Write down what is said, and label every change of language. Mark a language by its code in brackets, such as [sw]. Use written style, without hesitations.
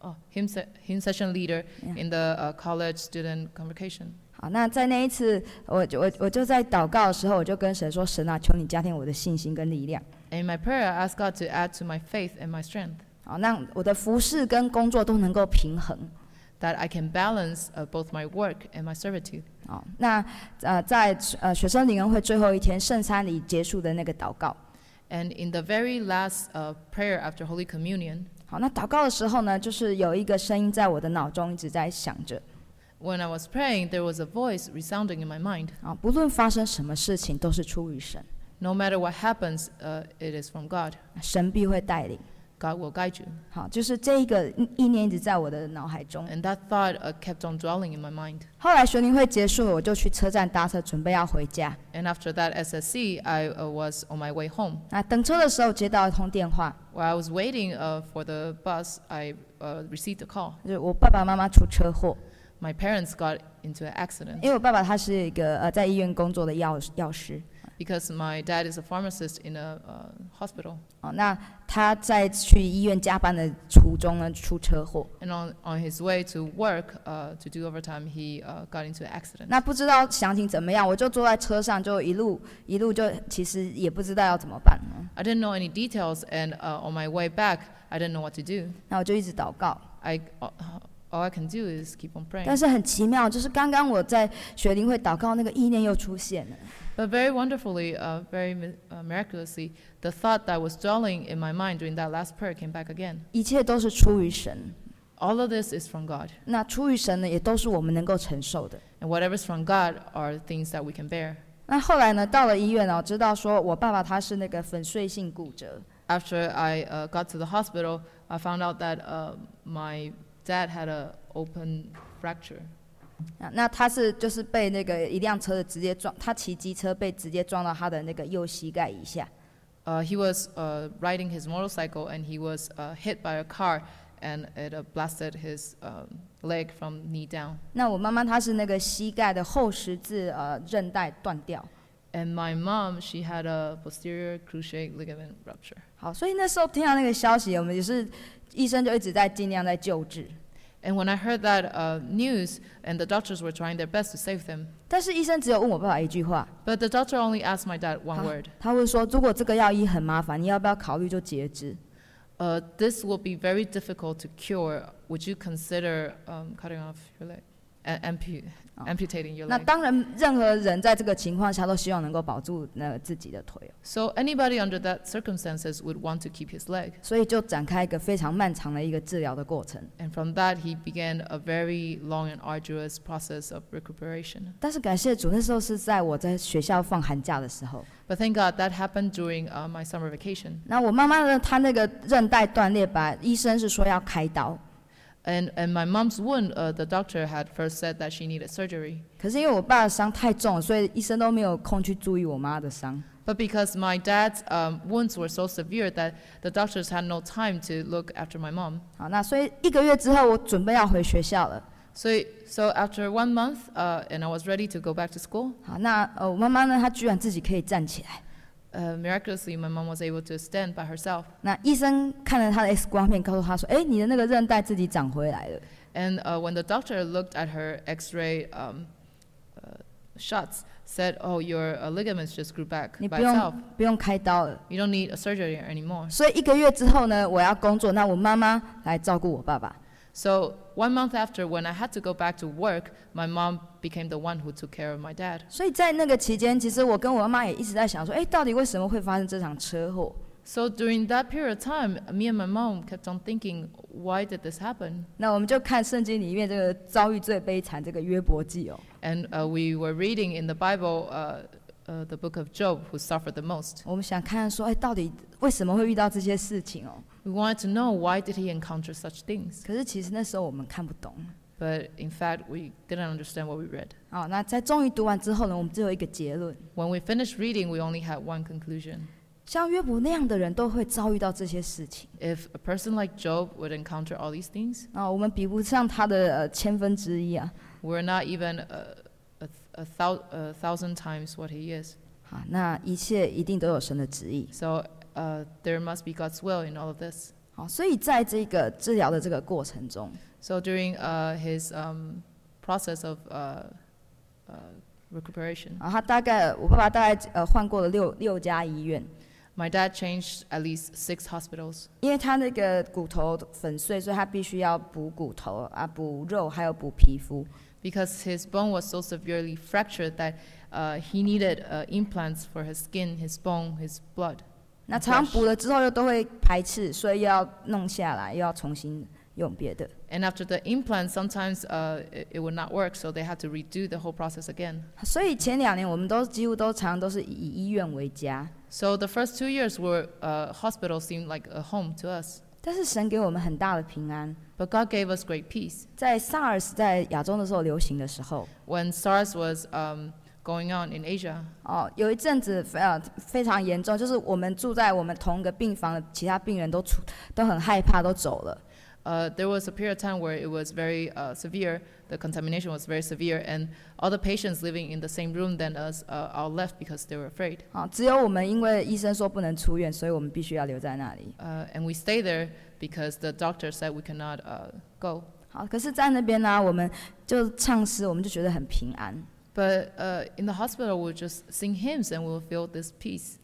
[en] Hymn session leader in the college student convocation. [zh] 好，那在那一次，我就在祷告的时候，我就跟神说：“神啊，求你加添我的信心跟力量。” [en] In my prayer, I ask God to add to my faith and my strength. [zh] 好，那我的服事跟工作都能够平衡。 [en] That I can balance both my work and my servitude. [zh] 好，那在学生灵恩会最后一天圣餐礼结束的那个祷告。 [en] And in the very last prayer after Holy Communion. [zh] 好，那祷告的时候呢，就是有一个声音在我的脑中一直在响着。 [en] When I was praying, there was a voice resounding in my mind. [zh] 不论发生什么事情，都是出于神。 [en] No matter what happens, it is from God. [zh] 神必会带领。 [en] God will guide you. [zh] 好，就是这一个意念一直在我的脑海中。 [en] And that thought kept on dwelling in my mind. [zh] 后来学龄会结束了，我就去车站搭车，准备要回家。 [en] And after that SSC, I was on my way home. [zh] 等车的时候接到一通电话。 [en] While I was waiting for the bus, I received a call. [zh] 就我爸爸妈妈出车祸。 [en] My parents got into an accident. [zh] 因为我爸爸他是一个在医院工作的药师。 [en] Because my dad is a pharmacist in a hospital. [zh] 那他在去医院加班的途中呢，出车祸。 [en] And on his way to work, to do overtime, he got into an accident. [zh] 那不知道详情怎么样，我就坐在车上，就一路就其实也不知道要怎么办。 [en] I didn't know any details, and on my way back, I didn't know what to do. [zh] 那我就一直祷告。 [en] All I can do is keep on praying. [zh] 但是很奇妙，就是刚刚我在学龄会祷告那个意念又出现了。 [en] But very wonderfully, very miraculously, the thought that was dwelling in my mind during that last prayer came back again. [zh] 一切都是出于神。 [en] All of this is from God. [zh] 那出于神呢，也都是我们能够承受的。 [en] And whatever is from God are things that we can bear. [zh] 那后来呢，到了医院呢，我知道说我爸爸他是那个粉碎性骨折。 [en] After I got to the hospital, I found out that my dad had an open fracture. [zh] 那他是就是被那个一辆车的直接撞，他骑机车被直接撞到他的那个右膝盖以下。 [en] He was riding his motorcycle and he was hit by a car and it blasted his leg from knee down. [zh] 那我妈妈她是那个膝盖的后十字韧带断掉。 [en] And my mom, she had a posterior cruciate ligament rupture. [zh] 好，所以那时候听到那个消息，我们就是医生就一直在尽量在救治。 [en] And when I heard that news, and the doctors were trying their best to save them. [zh] 但是医生只有问我爸爸一句话。 [en] But the doctor only asked my dad one word. [zh] 他问说，如果这个药医很麻烦，你要不要考虑就截肢？ [en] This will be very difficult to cure. Would you consider cutting off your leg? amputating your leg. [zh] 那当然，任何人在这个情况下都希望能够保住那自己的腿。 [en] So anybody under that circumstances would want to keep his leg. [zh] 所以就展开一个非常漫长的一个治疗的过程。 [en] And from that, he began a very long and arduous process of recuperation. [zh] 但是感谢主，那时候是在我在学校放寒假的时候。 [en] But thank God that happened during my summer vacation. [zh] 那我妈妈呢？她那个韧带断裂吧，医生是说要开刀。 [en] And my mom's wound, the doctor had first said that she needed surgery. [zh] 可是因为我爸的伤太重，所以医生都没有空去注意我妈的伤。 [en] But because my dad's wounds were so severe that the doctors had no time to look after my mom. [zh] 好，那所以一个月之后，我准备要回学校了。 [en] So after 1 month, and I was ready to go back to school. [zh] 好，那我妈妈呢？她居然自己可以站起来。 [en] Miraculously, my mom was able to stand by herself. [zh] 那医生看了她的 X 光片，告诉她说：“哎，你的那个韧带自己长回来了。 [en] ”And when the doctor looked at her X-ray shots, said, "Oh, your ligaments just grew back by itself. [zh] 不用开刀了。 [en] You don't need a surgery anymore." [zh] 所以一个月之后呢，我要工作，那我妈妈来照顾我爸爸。 [en] So 1 month after, when I had to go back to work, my mom became the one who took care of my dad. [zh] 所以在那个期间，其实我跟我妈也一直在想说，哎，到底为什么会发生这场车祸 [en] ？So during that period of time, me and my mom kept on thinking, why did this happen? [zh] 那我们就看圣经里面这个遭遇最悲惨这个约伯记哦。 [en] And we were reading in the Bible, the book of Job, who suffered the most. [zh] 我们想看说，哎，到底为什么会遇到这些事情哦？ [en] We wanted to know why did he encounter such things. [zh] 可是其实那时候我们看不懂。 [en] But in fact, we didn't understand what we read. [zh] 好，那在终于读完之后呢，我们只有一个结论。 [en] When we finished reading, we only had one conclusion. [zh] 像约伯那样的人都会遭遇到这些事情。 [en] If a person like Job would encounter all these things, [zh] 啊，我们比不上他的千分之一啊。 [en] We're not even a thousand times what he is. [zh] 好，那一切一定都有神的旨意。 [en] So. There must be God's will in all of this. [zh] 好，所以在这个治疗的这个过程中 [en] ，So during his process of recuperation. [zh] 啊，他大概我爸爸大概换过了六家医院。 [en] My dad changed at least 6 hospitals. [zh] 因为他那个骨头粉碎，所以他必须要补骨头啊，补肉还有补皮肤。 [en] Because his bone was so severely fractured that he needed implants for his skin, his bone, his blood. [zh] 那常补了之后又都会排斥，所以又要弄下来，又要重新用别的。 [en] And after the implant, sometimes it would not work, so they had to redo the whole process again. [zh] 所以前两年我们都几乎都常都是以医院为家。 [en] So the first 2 years were hospital seemed like a home to us. [zh] 但是神给我们很大的平安。 [en] But God gave us great peace. [zh] 在 SARS 在亚洲的时候流行的时候。 [en] When SARS was going on in Asia. [zh] 哦，有一阵子非常严重，就是我们住在我们同一个病房的其他病人都很害怕，都走了。 [en] There was a period of time where it was very severe. The contamination was very severe, and all the patients living in the same room than us all left because they were afraid. [zh] 哦，只有我们因为医生说不能出院，所以我们必须要留在那里。 [en] And we stay there because the doctor said we cannot go. [zh] 好，可是，在那边呢，我们就唱诗，我们就觉得很平安。 [en] But in the hospital, we'll just sing hymns and we'll feel this peace.